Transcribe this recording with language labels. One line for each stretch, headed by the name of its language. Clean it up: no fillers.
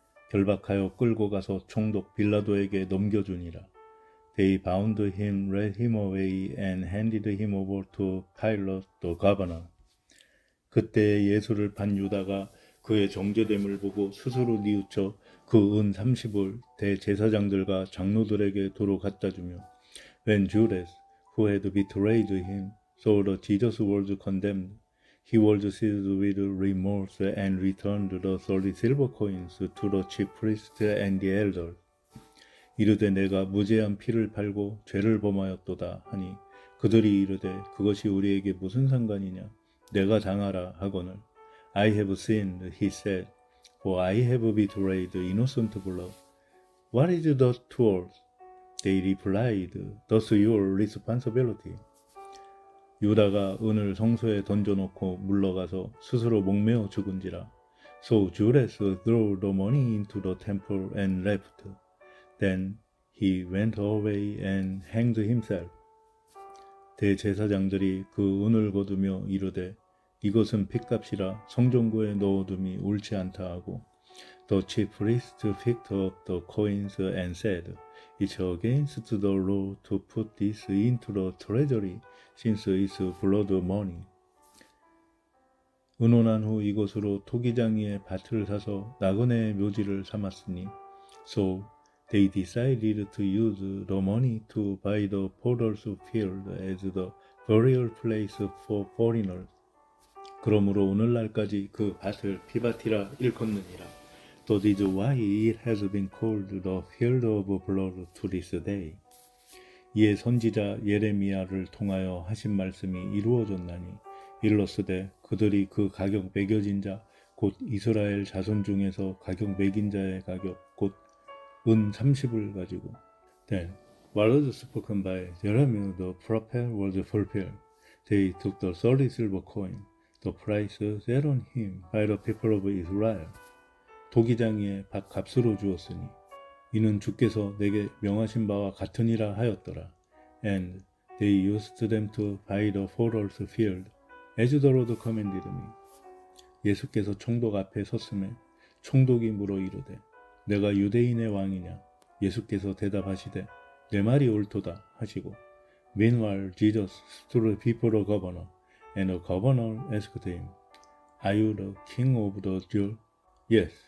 Korean: 결박하여 끌고 가서 총독 빌라도에게 넘겨주니라.
English: They bound him, led him away, and handed him over to Pilate, the governor.
Korean: 그때 예수를 판 유다가 그의 정죄됨을 보고 스스로 뉘우쳐 그은 삼십을 대제사장들과 장로들에게 도로 갖다 주며,
English: When Judas, who had betrayed him, saw that Jesus was condemned, he was seized with remorse and returned the 30 silver coins to the chief priests and the elders.
Korean: 이르되 내가 무죄한 피를 팔고 죄를 범하였도다 하니 그들이 이르되 그것이 우리에게 무슨 상관이냐 내가 당하라 하거늘
English: I have sinned, he said, for I have betrayed innocent blood. What is the truth? They replied, That's your responsibility.
Korean: 유다가 은을 성소에 던져놓고 물러가서 스스로 목매어 죽은지라.
English: So Judas threw the money into the temple and left. Then he went away and hanged himself.
Korean: 대제사장들이 그 은을 거두며 이르되 이것은 피값이라 성전고에 넣어둠이 옳지 않다 하고
English: The chief priest picked up the coins and said, It's against the law to put this into the treasury since it's blood money.
Korean: 의논한 후 이곳으로 토기장이의 밭을 사서 나그네의 묘지를 삼았으니
English: So they decided to use the money to buy the potter's field as the burial place for foreigners.
Korean: 그러므로 오늘날까지 그 밭을 피밭이라 일컫느니라.
English: So this is why it has been called the Field of Blood to this day.
Korean: 이에 선지자 예레미야를 통하여 하신 말씀이 이루어졌나니 일렀으되 그들이 그 가격 매겨진 자, 곧 이스라엘 자손 중에서 가격 매긴 자의 가격, 곧은 30을 가지고
English: Then, what was spoken by Jeremiah the prophet was fulfilled. They took the 30 silver coin, the price set on him by the people of Israel.
Korean: 도기장이의 밭 값으로 주었으니 이는 주께서 내게 명하신 바와 같으니라 하였더라.
English: And they used them to buy the fodder's field, as the Lord commanded me.
Korean: 예수께서 총독 앞에 섰음에 총독이 물어 이르되 내가 유대인의 왕이냐? 예수께서 대답하시되 내 말이 옳도다 하시고
English: Meanwhile, Jesus stood before the governor, and the governor asked him, Are you the king of the Jews? Yes.